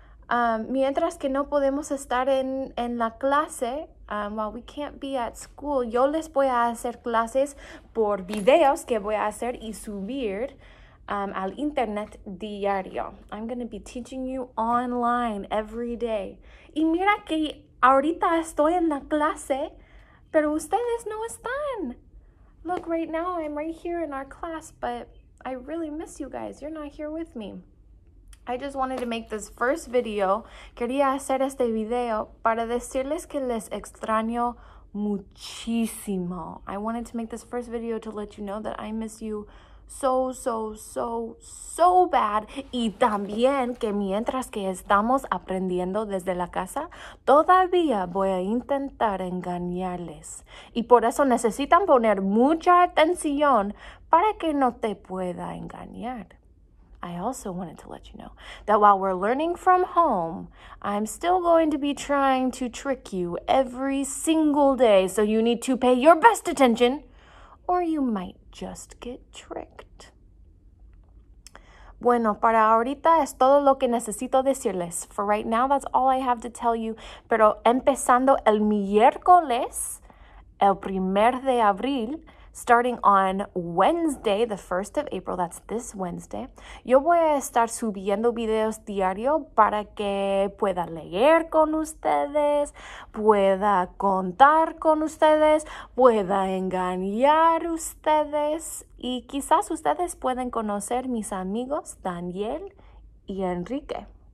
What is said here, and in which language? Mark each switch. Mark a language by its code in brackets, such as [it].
[es] Mientras que no podemos estar en la clase, [en] while we can't be at school, [es] yo les voy a hacer clases por videos que voy a hacer y subir al internet diario. [en] I'm going to be teaching you online every day. [es] Y mira que ahorita estoy en la clase, pero ustedes no están. [en] Look, right now I'm right here in our class, but I really miss you guys. You're not here with me. I just wanted to make this first video. [es] Quería hacer este video para decirles que les extraño muchísimo. [en] I wanted to make this first video to let you know that I miss you so, so, so, so bad. [es] Y también que mientras que estamos aprendiendo desde la casa, todavía voy a intentar engañarles. Y por eso necesitan poner mucha atención para que no te pueda engañar. [en] I also wanted to let you know that while we're learning from home, I'm still going to be trying to trick you every single day, so you need to pay your best attention, or you might just get tricked. [es] Bueno, para ahorita es todo lo que necesito decirles. [en] For right now, that's all I have to tell you, [es] pero empezando el miércoles, el primer de abril, [en] starting on Wednesday, the 1st of April, that's this Wednesday, [es] yo voy a estar subiendo videos diario para que pueda leer con ustedes, pueda contar con ustedes, pueda engañar ustedes, y quizás ustedes pueden conocer mis amigos Daniel y Enrique.